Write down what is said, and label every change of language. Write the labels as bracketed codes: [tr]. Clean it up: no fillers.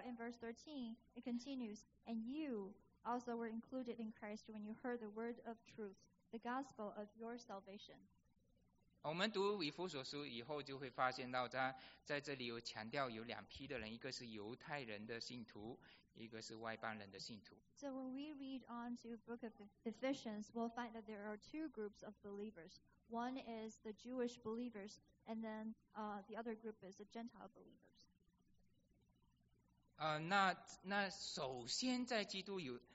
[en] in verse 13, it continues, and you also were included in Christ when you heard the word of truth. The gospel of your salvation. [zh] 我们读以弗所书以后，就会发现到他在这里有强调有两批的人，一个是犹太人的信徒，一个是外邦人的信徒。 [en] So when we read on to the book of Ephesians, we'll find that there are two groups of believers. One is the Jewish believers, and then the other group is the Gentile believers. [zh] 那首先在基督有